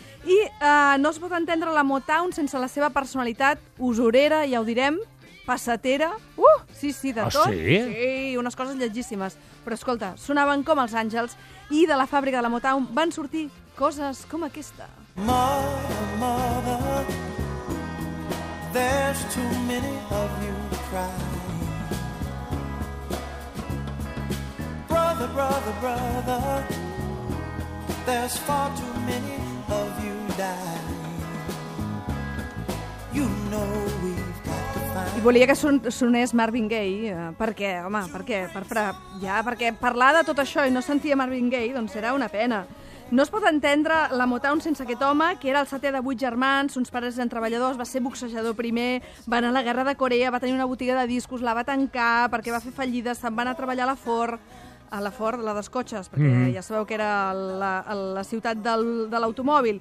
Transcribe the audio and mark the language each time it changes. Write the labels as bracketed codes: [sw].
[ca] I no es pot entendre la Motown sense la seva personalitat usurera, ja ho direm, passatera, sí, unes coses llegíssimes. Però escolta, sonaven com els àngels i de la fàbrica de la Motown van sortir coses com aquesta. [en] Mother, there's too many of you crying. Brother, there's far too many of you dying. You know we... [ca] I volia que sonés Marvin Gaye, perquè, home, perquè parlar de tot això i no sentia Marvin Gaye, doncs era una pena. No es pot entendre la Motown sense aquest home, que era el setè de 8 germans, uns pares eren treballadors, va ser boxejador primer, va anar a la guerra de Corea, va tenir una botiga de discos, la va tancar perquè va fer fallida, se'n va anar a treballar a la Ford, la dels cotxes, perquè ja sabeu que era la ciutat de l'automòbil.